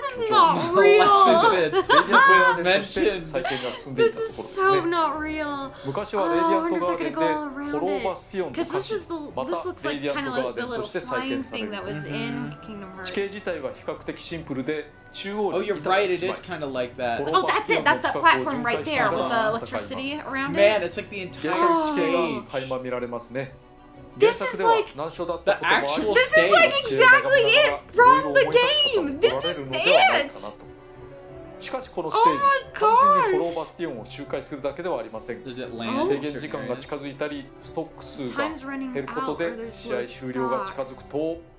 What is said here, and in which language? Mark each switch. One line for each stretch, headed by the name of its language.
Japanese: レディアントガーデンで再建が進んでいたところですね。
English: This is so not real.
Japanese: 昔はレディアントガーデンでホローバスティオンの昔、またレディアントガーデンとして再建される。地形自体は比較的シンプルで、中央に板が立ちます。
English: Oh, you're right. It is kind of like that. Oh, that's it. That's that platform right there with the electricity around it. Man, it's like the entire stage.
Japanese: 原作地形が垣間見られますね。
English: This is like the actual stage. This is like exactly it from the game. This is it.
Japanese: しかしこのステージ、単純にホローバスティオンを周回するだけではありません。制限時間が近づいたり、ストック数が減ることで試合終了が近づくと、